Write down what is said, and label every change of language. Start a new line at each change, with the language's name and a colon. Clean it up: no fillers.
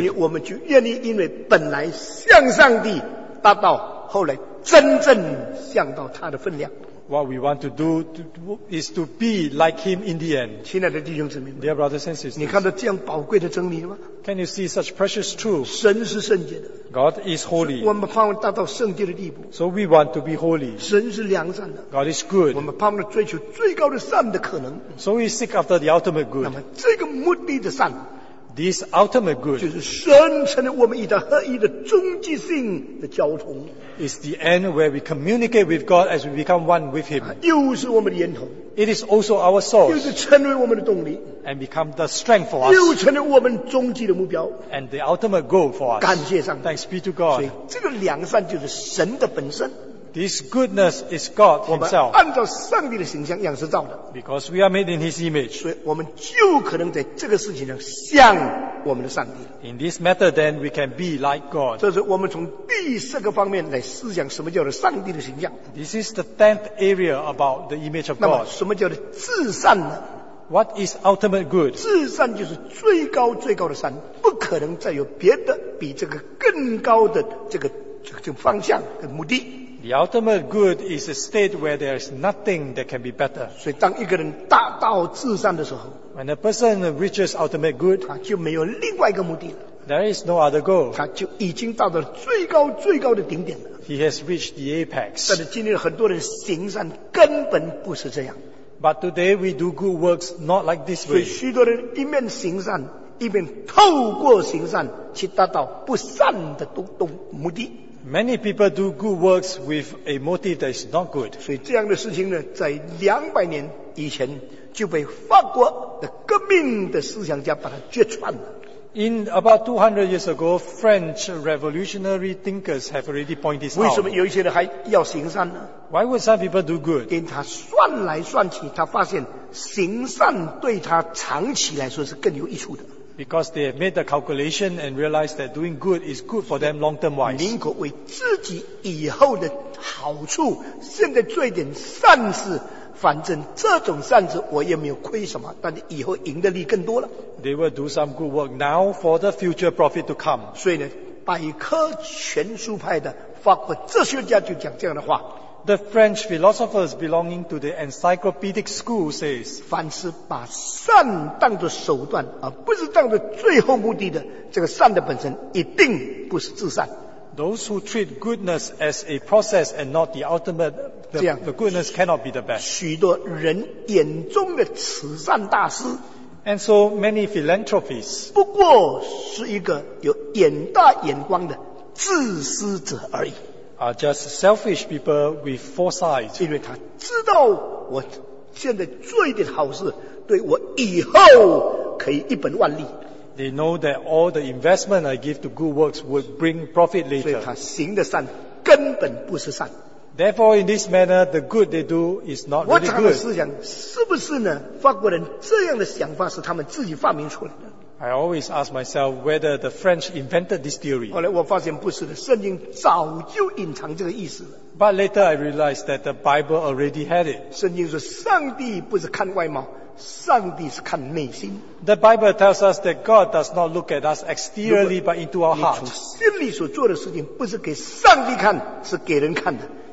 Chinese: 因为我们就愿意因为本来向上帝达到后来真正向到他的分量。
English: What we want to do is to be like him in the end.
Chinese: 亲爱的弟兄姊妹们
English: Dear brothers and sisters,
Chinese: 你看到这样宝贵的真理吗？
English: Can you see such precious truth?
Chinese: 神是圣洁的。
English: God is holy.
Chinese: 我们盼望达到圣洁的地步。
English: So we want to be holy.
Chinese: 神是良善的。
English: God is good.
Chinese: 我们盼望追求最高的善的可能。
English: So we seek after the ultimate good.
Chinese: 那么这个目的的善
English: This ultimate good.
Chinese: 就是神成了我们与他合一的终极性的交通。
English: Is the end where we communicate with God as we become one with Him.
Chinese: 又是我们的源头。
English: It is also our source.
Chinese: 又是成为我们的动力。
English: And become the strength for us.
Chinese: 又成为我们终极的目标。
English: And the ultimate goal for us.
Chinese: 感谢上帝。
English: Thanks be to God.
Chinese: 所以这个良善就是神的本身。
English: This goodness is God Himself.
Chinese: 我们按照上帝的形象样式造的。
English: Because we are made in His image.
Chinese: 所以我们就可能在这个事情上像我们的上帝。
English: In this matter then, we can be like God.
Chinese: 这是我们从第四个方面来思想什么叫做上帝的形象。
English: This is the tenth area about the image of God.
Chinese: 那么什么叫做至善呢？
English: What is ultimate good?
Chinese: 至善就是最高最高的善，不可能再有别的比这个更高的这个方向的目的。
English: The ultimate good is a state where there is nothing that can be better.
Chinese: 所以当一个人达到至善的时候
English: ，When a person reaches ultimate good，
Chinese: 他就没有另外一个目的了。
English: There is no other goal.
Chinese: 他就已经到了最高最高的顶点了。
English: He has reached the apex.
Chinese: 但是今天很多人行善根本不是这样。
English: But today we do good works not like this way.
Chinese: 所以许多人一面行善，一面透过行善去达到不善的目的。
English: Many people do good works with a motive that is not good.
Chinese: 所以这样的事情呢，在200年以前就被法国的革命的思想家把它揭穿了。
English: In about 200 years ago, French revolutionary thinkers have already pointed this out.
Chinese: 为什么有一些人还要行善呢？
English: Why would some people do good?
Chinese: 因为他算来算去，他发现行善对他长期来说是更有益处的。
English: Because they have made the calculation and realized that doing good is good for them long term wise.
Chinese: 宁可为自己以后的好处，现在做一点善事，反正这种善事我也没有亏什么，但是以后赢的利更多了。
English: They will do some good work now for the future profit to come.
Chinese: 所以呢，百科全书派的法国哲学家就讲这样的话。
English: The French philosophers belonging to the encyclopedic school says,
Chinese: 凡是把善当作手段，而不是当作最后目的的，这个善的本身一定不是至善。
English: Those who treat goodness as a process and not the ultimate, the goodness cannot be the best.
Chinese: 许多人眼中的慈善大师
English: ，and so many philanthropists,
Chinese: 不过是一个有眼大眼光的自私者而已。
English: Are just selfish people with foresight.
Chinese: 因为他知道我现在做一点好事，对我以后可以一本万利。
English: They know that all the investment I give to good works would bring profit later.
Chinese: 所以他行的善根本不是善。
English: Therefore, in this manner, the good they do is not really good.
Chinese: 我常常思想, 是不是呢, 法国人这样的想法是他们自己发明出来的?
English: I always ask myself whether the French invented this theory.
Chinese: 后来我发现不是的, 圣经早就隐藏这个意思了。
English: But later I realized that the Bible already had it.
Chinese: 圣经说上帝不是看外貌, 上帝是看内心。
English: The Bible tells us that God does not look at us exteriorly but into our heart.
Chinese: 如果你从心里所做的事情不是给上帝看, 是给人看的。